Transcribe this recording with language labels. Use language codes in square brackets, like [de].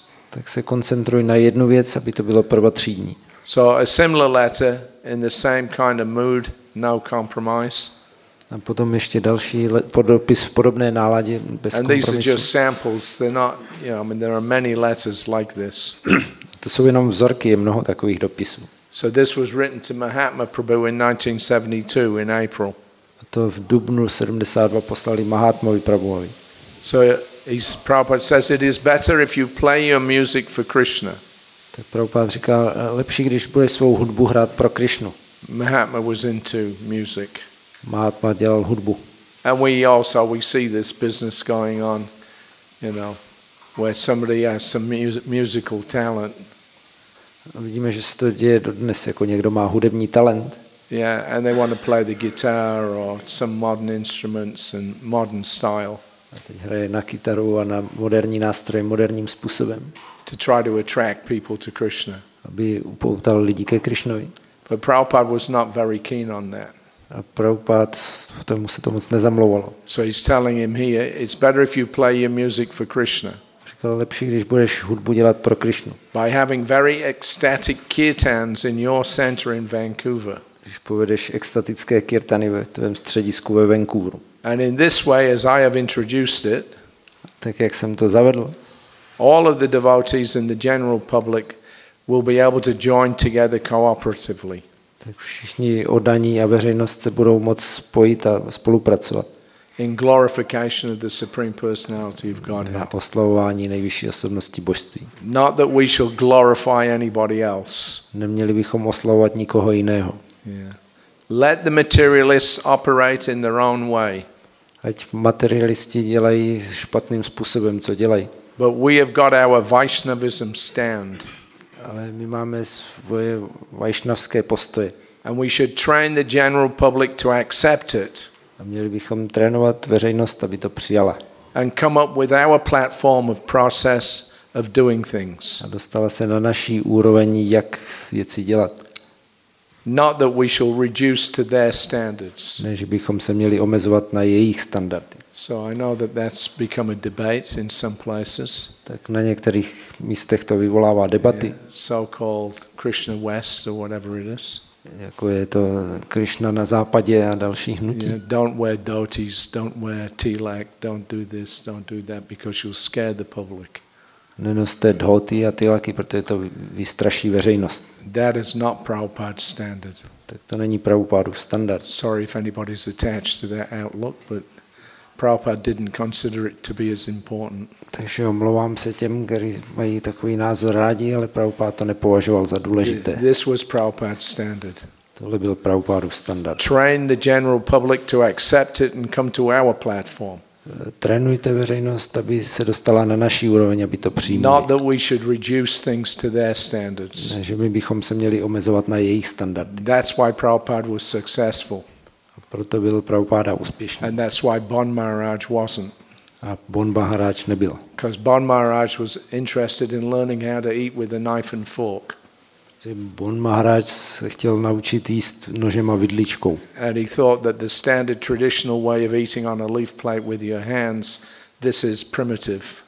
[cs] Tak se koncentruj na jednu věc, aby to bylo prvotřídní. [en] So a similar letter in the same kind of mood, no compromise. [cs] A potom ještě další podopis v podobné náladě bez kompromisu. [en] And these are just samples. They're not, you know, I mean, there are many letters like this. [cs] To jsou jenom vzorky, je mnoho takových dopisů. [en] So this was written to Mahatma Prabhu in 1972 in April. [cs] To v dubnu 72 poslali Mahatmovi Prabhuovi. [en] So his Prabhupada says it is better if you play your music for Krishna. [cs] Tak Prabhupada říká, lepší, když budeš svou hudbu hrát pro Krishnu. [en] Mahatma was into music. [cs] Mahatma dělal hudbu. [en] And we also see this business going on, you know, where somebody has some musical talent. [cs] A vidíme, že se to děje dodnes, jako někdo má hudební talent. [en] Yeah, and they want to play the guitar or some modern instruments and modern style. [cs] A teď hraje na kytaru a na moderní nástroje moderním způsobem. [en] To try to attract people to Krishna. [cs] Aby upoutal lidi ke Krišnovi. [en] But Prabhupada was not very keen on that. [cs] A Prabhupada tomu se to moc nezamlouvalo. [en] So he's telling him here, it's better if you play your music for Krishna. [cs] Říkal, lepší, když budeš hudbu dělat pro Krišnu. [en] By having very ecstatic kirtans in your center in Vancouver. [cs] Když povedeš extatické kirtany ve tvém středisku ve Vancouveru. [en] And in this way, as I have introduced it, [cs] tak jak jsem to zavedl, [en] all of the devotees and the general public will be able to join together cooperatively. [cs] Tak všichni oddaní a veřejnost se budou moct spojit a spolupracovat. [en] In glorification of the Supreme Personality of Godhead. [cs] Na oslavování nejvyšší osobnosti božství. [en] Not that we shall glorify anybody else. [cs] Neměli bychom oslavovat nikoho jiného. [en] Yeah. Let the materialists operate in their own way. [cs] Ať materialisti dělají špatným způsobem, co dělají. [en] But we have got our Vaishnavism stand. [cs] Ale my máme svoje vaishnavské postoje. [en] And we should train the general public to accept it. [cs] A měli bychom trénovat veřejnost, aby to přijala. [en] And come up with our platform of process of doing things. [cs] A dostala se na naší úroveň, jak věci dělat. [en] Not that we shall reduce to their standards. [cs] Ne, že bychom se měli omezovat na jejich standardy. [en] So I know that that's become a debate in some places. [cs] Tak na některých místech to vyvolává debaty. [en] Yeah, so-called Krishna West or whatever it is. [cs] Jako je to Krishna na západě a další hnutí. [en] Yeah, don't wear dhotis, don't wear tilak, don't do this, don't do that because you'll scare the public. [cs] Nenoste dhoty a tilaky, protože to vystraší veřejnost. [en] That is not Prabhupada's standard. [cs] Tak to není Prabhupádův standard. [en] Sorry if anybody's attached to that outlook, but Prabhupada didn't consider it to be as important. [cs] Takže omlouvám se těm, kteří mají takový názor rádi, ale Prabhupáda to nepovažoval za důležité. [en] This was Prabhupada's standard. [cs] Tohle byl Prabhupádův standard. [en] Train the general public to accept it and come to our platform. [cs] Trénujte veřejnost, aby se dostala na naší úroveň, aby to přijmuli. [en] Not that we should reduce things to their standards. [cs] Ne, že my bychom se měli omezovat na jejich standardy. [en] That's why Prabhupada was successful. [cs] Proto byl Prabhupáda úspěšný. [en] And that's why Bon Maharaj wasn't. [cs] A Bon Maharaj nebyl. [en] Because Bon Maharaj was interested in learning how to eat with a knife and fork. [cs] Bon Maharaj chtěl naučit jíst nožem a vidličkou. [en] And he thought that the standard traditional way of eating on a leaf plate with your hands, this is primitive.